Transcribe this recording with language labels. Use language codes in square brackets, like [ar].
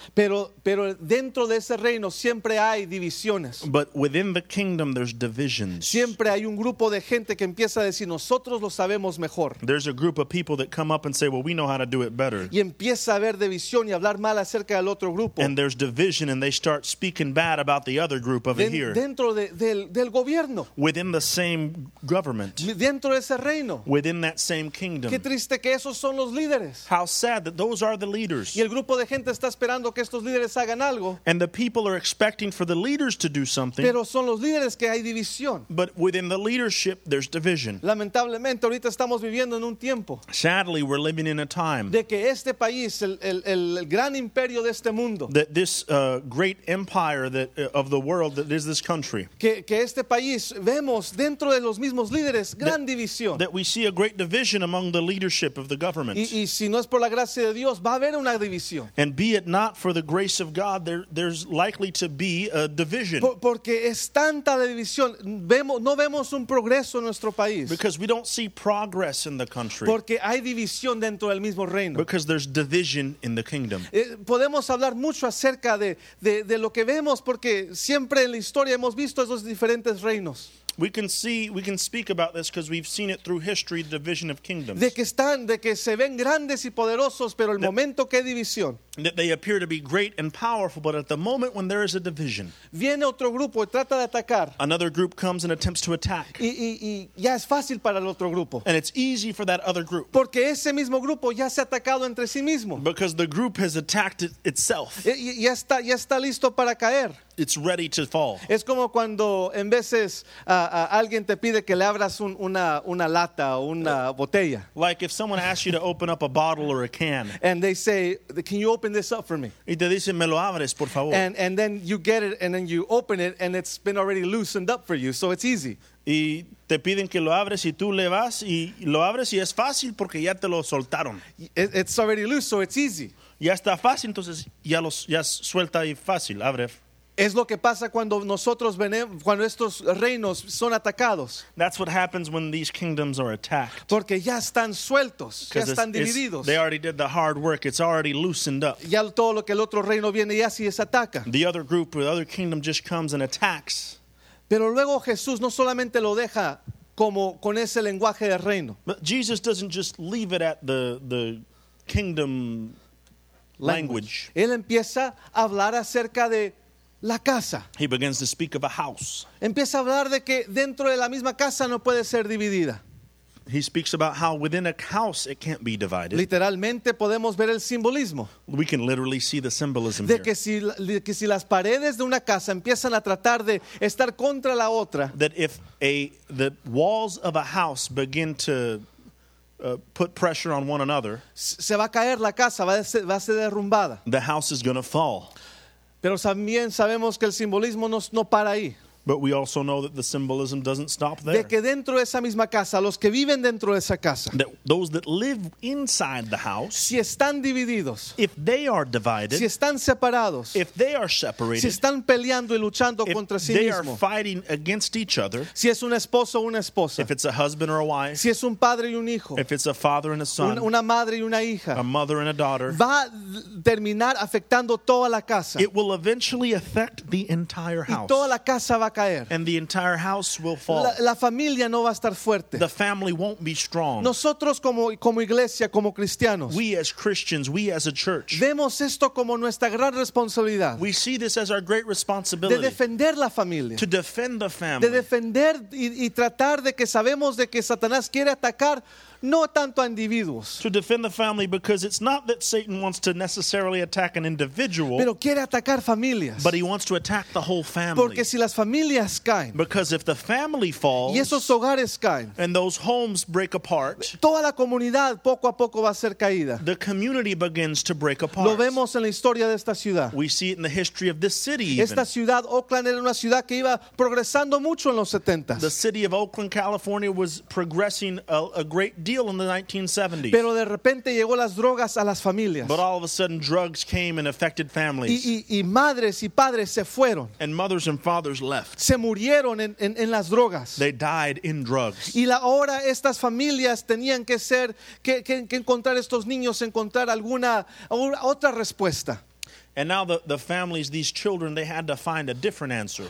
[es] Pero dentro de ese reino siempre hay divisiones. [en] But within the kingdom there's divisions. [es] Siempre hay un grupo de gente que empieza a decir nosotros lo sabemos mejor. [en] There's a group of people that come up and say, well, we know how to do it better. [es] Y empieza a haber división y hablar mal acerca del otro grupo. [en] And there's division and they start speaking bad about the other group over here. [es] Dentro del gobierno. [en] Within the same government. [es] Dentro de ese reino. [en] Within that same kingdom. [es] Qué triste que esos son los líderes. [en] How sad that those are the leaders. [es] Y el grupo de gente está esperando que estos líderes hagan algo. [en] And the people are expecting for the leaders to do something. [es] Pero son los líderes que hay división. [en] But within the leadership, there's division. [es] Lamentablemente, ahorita estamos viviendo en un tiempo. [en] Sadly, we're living in a time. [es] De que este país, el gran imperio de este mundo. [en] That this great empire that of the world that is this country. [es] Que este país vemos dentro de los mismos líderes gran división. [en] That we see a great division among the leadership of the government. [es] Y si no es por la gracia de Dios, va a haber una división. [en] And be it not for the grace of God, there's likely to be a division. [es] Porque es tanta la división, no vemos un progreso en nuestro país. [en] Because we don't see progress in the country. [es] Porque hay división dentro del mismo reino. [en] Because there's division in the kingdom. [es] Podemos hablar mucho acerca de lo que vemos, porque siempre en la historia hemos visto esos diferentes reinos. [en] We can speak about this because we've seen it through history, the division of kingdoms. [es] De que están, de que se ven grandes y poderosos, pero el momento que hay división. [en] That they appear to be great and powerful, but at the moment when there is a division. [es] Viene otro grupo y trata de atacar. [en] Another group comes and attempts to attack. [es] Y ya es fácil para el otro grupo. [en] And it's easy for that other group. [es] Porque ese mismo grupo ya se ha atacado entre sí mismo. [en] Because the group has attacked itself. [es] Ya está listo para caer. [en] It's ready to fall. [es] Es como cuando en veces alguien te pide que le abras una lata o una botella. [en] Like if someone asks you to open up a bottle or a can. And they say, can you open this up for me? [es] Y te dicen, me lo abres, por favor. [en] And then you get it and then you open it and it's been already loosened up for you, so it's easy. [es] Y te piden que lo abres y tú le vas y lo abres y es fácil porque ya te lo soltaron. [en] It's already loose, so it's easy. [es] Ya está fácil, entonces ya suelta y fácil, abre. Es lo que pasa cuando nosotros cuando estos reinos son atacados. [en] That's what happens when these kingdoms are attacked. [es] Porque ya están sueltos, ya están divididos. [en] They already did the hard work, it's already loosened up. [es] Ya todo lo que el otro reino viene y así es ataca. [en] The other group, the other kingdom just comes and attacks. [es] Pero luego Jesús no solamente lo deja como con ese lenguaje de reino. [en] But Jesus doesn't just leave it at the kingdom language. [es] Él empieza a hablar acerca de la casa. [en] He begins to speak of a house. [es] Empieza a hablar de que dentro de la misma casa no puede ser dividida. [en] He speaks about how within a house it can't be divided. [es] Literalmente podemos ver el simbolismo. [en] We can literally see the symbolism [es] de que si, [en] here. [es] De que si las paredes de una casa empiezan a tratar de estar contra la otra. [en] That if the walls of a house begin to put pressure on one another. [es] Se va a caer la casa, va a ser derrumbada. [en] The house is going to fall. [es] Pero también sabemos que el simbolismo no para ahí. [en] But we also know that the symbolism doesn't stop there. [es] De que dentro de esa misma casa, los que viven dentro de esa casa. [en] That those that live inside the house. [es] Si están divididos. [en] If they are divided. [es] Si están separados. [en] If they are separated. [es] Si están peleando y luchando contra sí mismos. [en] If they are fighting against each other. [es] Si es un esposo o una esposa. [en] If it's a husband or a wife. [es] Si es un padre y un hijo. [en] If it's a father and a son. [es] Una madre y una hija. [en] A mother and a daughter. [es] Va a terminar afectando toda la casa. [en] It will eventually affect the entire house. [es] Y toda la casa va a caer. [en] And the entire house will fall. [es] La familia no va a estar fuerte. [en] The family won't be strong. [es] Nosotros como iglesia, como cristianos, [en] we as Christians, we as a church, [es] vemos esto como nuestra gran responsabilidad. [en] We see this as our great responsibility. [es] De defender la familia. [en] To defend the family. [es] De defender y tratar de que sabemos de que Satanás quiere atacar. No tanto a individuos. [en] To defend the family, because it's not that Satan wants to necessarily attack an individual. [es] Pero quiere atacar familias. [en] But he wants to attack the whole family. [es] Porque si las familias caen. [en] Because if the family falls. [es] Y esos hogares caen. [en] And those homes break apart. [es] Toda la comunidad poco a poco va a ser caída. [en] The community begins to break apart. [es] Lo vemos en la historia de esta ciudad. [en] We see it in the history of this city. [es] Esta ciudad, Oakland, era una ciudad que iba progresando mucho en los 70s. [en] The city of Oakland, California was progressing a great deal in the 1970s. [es] Pero de repente llegó las drogas a las familias. [en] But all of a sudden drugs came and affected families. [es] Y madres y padres se fueron. [en] And mothers and fathers left. [es] Se murieron en las drogas. [en] They died in drugs. [es] Y ahora estas familias tenían que ser que encontrar estos niños, encontrar alguna otra respuesta. [en] And now the families, these children, they had to find a different answer.